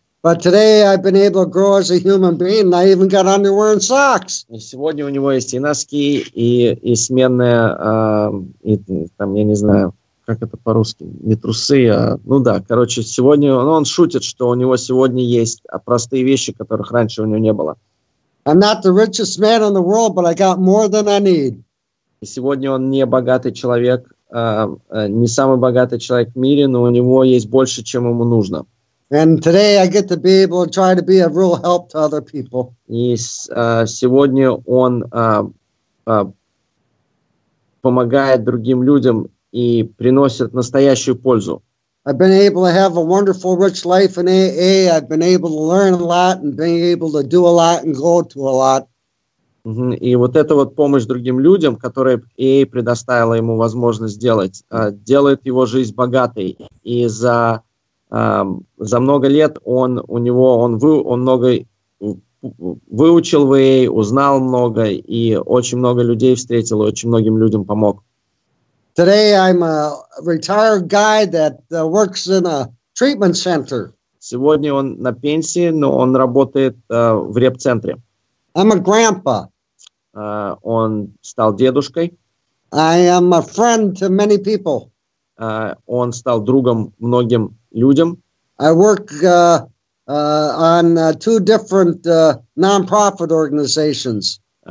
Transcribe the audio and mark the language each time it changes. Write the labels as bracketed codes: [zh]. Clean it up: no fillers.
[en] But today I've been able to grow as a human being. I even got underwear and socks. [ru] И сегодня у него есть и носки, и сменная, там, я не знаю, как это по-русски, не трусы, а, ну да, короче, сегодня, ну, он шутит, что у него сегодня есть простые вещи, которых раньше у него не было. [en] I'm not the richest man in the world, but I got more than I need. [ru] И сегодня он не богатый человек, не самый богатый человек в мире, но у него есть больше, чем ему нужно. [en] And today I get to be able to try to be a real help to other people. [ru] И сегодня он помогает другим людям и приносит настоящую пользу. [en] I've been able to have a wonderful, rich life in AA. I've been able to learn a lot and been able to do a lot and go to a lot. Mm-hmm. [ru] И вот эта вот помощь другим людям, которая AA предоставила ему возможность сделать, делает его жизнь богатой. И за много лет он много выучил в AA, узнал много и очень много людей встретил, и очень многим людям помог. [en] Today I'm a retired guy that works in a treatment center. [ru] Сегодня он на пенсии, но он работает в реп-центре. [en] I'm a grandpa. [ru] Он стал дедушкой. [en] I am a friend to many people. [ru] Он стал другом многим людям. [en] I work on two different non-profit organizations.